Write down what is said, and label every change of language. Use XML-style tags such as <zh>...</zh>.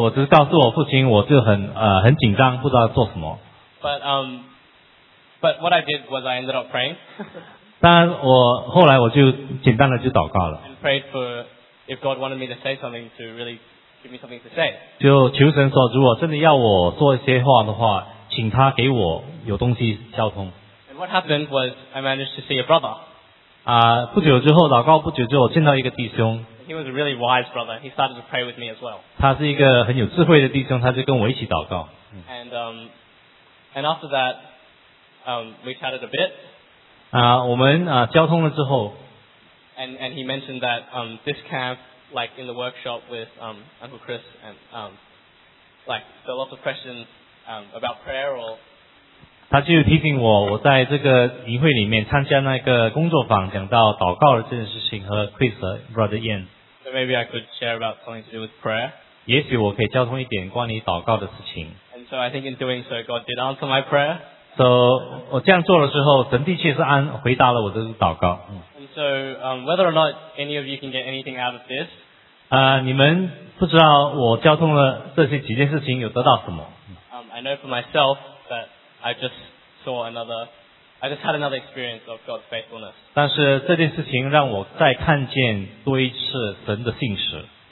<zh>我只是告诉我父亲，我就很紧张，不知道做什么。</zh> <en>But what I did was I ended up praying.</en> <zh>当然，我后来我就简单的就祷告了。</zh> <en>And prayed for if God wanted me to say something to really give me something to say.</en> <zh>就求神说，如果真的要我做一些话的话，请他给我有东西交通。</zh> <en>And what happened was I managed to see a brother.</en> <zh>不久之后祷告，不久之后见到一个弟兄。</zh> <en>He was a really wise brother. He started to pray with me as well.</en> <zh>他是一个很有智慧的弟兄，他就跟我一起祷告。</zh> <en>And after that, we chatted a bit.</en> <zh>我们交通了之后。</zh> <en>And he mentioned that this camp, like in the workshop with Uncle Chris, and like there are lots of questions about prayer or.</en> <zh>他就提醒我，我在这个营会里面参加那个工作坊，讲到祷告的这件事情和 Chris 和 Brother Ian。</zh> <en>So maybe I could share about something to do with prayer.</en> <zh>也许我可以交通一点关于祷告的事情。</zh> <en>And so I think in doing so, God did answer my prayer.</en> <zh>So 我这样做了之后，神的确是回答了我的祷告。</zh> <en>And so, whether or not any of you can get anything out of this,</en> <zh>你们不知道我交通了这些几件事情有得到什么。</zh> <en>I know for myself that I just saw another. I just had another experience of God's faithfulness.</en> <zh>但是这件事情让我再看见多一次神的信实。</zh>